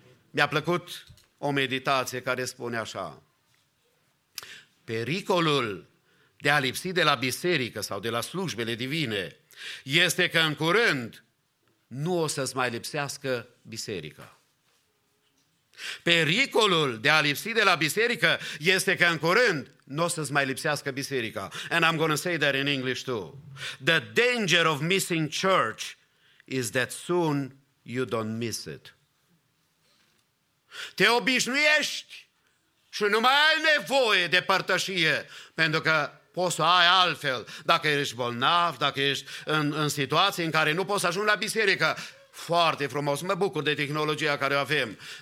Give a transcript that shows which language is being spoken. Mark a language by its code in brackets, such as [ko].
[ro] Mi-a plăcut o meditație care spune așa: pericolul de a lipsi de la biserică sau de la slujbele divine este că în curând nu o să-ți mai lipsească biserica. Pericolul de a lipsi de la biserică este că în curând nu o să-ți mai lipsească biserica. [en] And I'm going to say that in English too. The danger of missing church is that soon you don't miss it. [ro] Te obișnuiești și nu mai ai nevoie de părtășie, pentru că poți să ai altfel. Dacă ești bolnav, dacă ești în situații în care nu poți să ajungi la biserică, foarte frumos, mă bucur de tehnologia care o avem.